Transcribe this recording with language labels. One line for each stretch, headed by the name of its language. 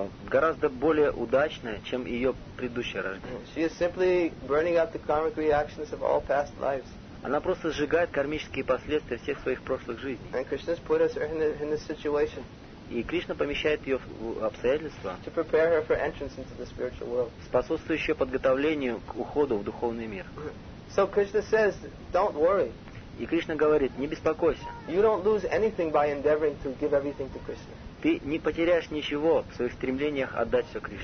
Russian: Гораздо более удачное, чем ее предыдущее рождение. Она просто сжигает кармические последствия всех своих прошлых жизней. И Кришна помещает ее в обстоятельства,
English: to prepare her for entrance into the spiritual world.
Russian: Способствующие подготовлению к уходу в духовный мир.
English: So Krishna says, don't worry.
Russian: И Кришна говорит, не беспокойся.
English: You don't lose anything by endeavoring to give everything to Krishna.
Russian: Ты не потеряешь ничего в своих стремлениях отдать все Кришне.